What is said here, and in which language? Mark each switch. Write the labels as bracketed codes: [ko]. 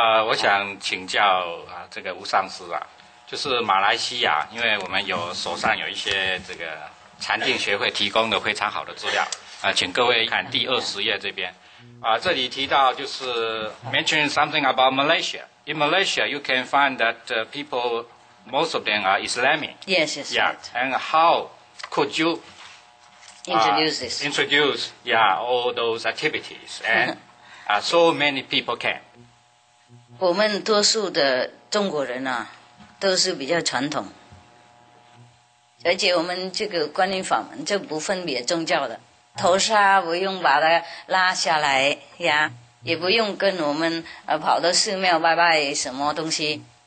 [zh] 我想请教啊，这个吴上师啊。就是马来西亚，因为我们有手上有一些这个禅定学会提供的非常好的资料啊、请各位看第20页这边啊、这里提到就是 [en] mention something about Malaysia. In Malaysia, you can find that people, most of them are Islamic. Yes, yes. Yeah. And how could you introduce yeah, all those activities, and so many people can. [zh] 我们多数的中国人啊，都是比较传统，而且我们这个观音法门就不分别宗教的，头纱不用把它拉下来呀，也不用跟我们跑到寺庙拜拜什么东西。